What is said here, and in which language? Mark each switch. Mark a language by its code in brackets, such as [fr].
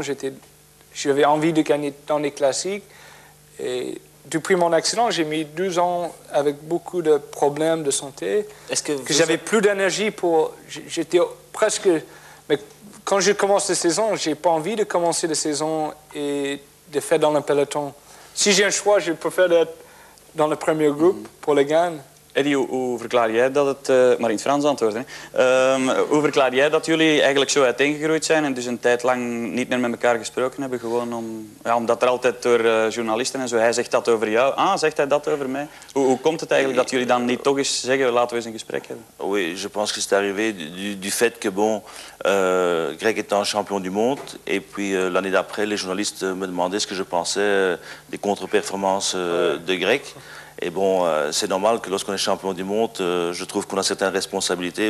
[fr] J'avais envie de gagner dans les classiques. Et depuis mon accident, j'ai mis 12 ans avec beaucoup de problèmes de santé. Est-ce que vous... j'avais plus d'énergie pour... J'étais presque... Mais quand je commence la saison, j'ai pas envie de commencer la saison et de faire dans le peloton. Si j'ai un choix, je préfère être dans le premier groupe pour les gains. [nl] Eddie, hoe verklaar jij dat het... Maar in het Frans antwoorden. Hoe verklaar jij dat jullie eigenlijk zo uiteengegroeid zijn en dus een tijd lang niet meer met elkaar gesproken hebben? Gewoon omdat er altijd door journalisten en zo... Hij zegt dat over jou. Ah, zegt hij dat over mij? Hoe komt het eigenlijk dat jullie dan niet toch eens zeggen, laten we eens een gesprek hebben? [fr] Oui, je pense que c'est arrivé du fait que, bon, Greg étant champion du monde, et puis l'année d'après, les journalistes me demandaient ce que je pensais des contre-performances de Greg. Et bon, c'est normal que lorsqu'on est champion du monde, je trouve qu'on a certaines responsabilités.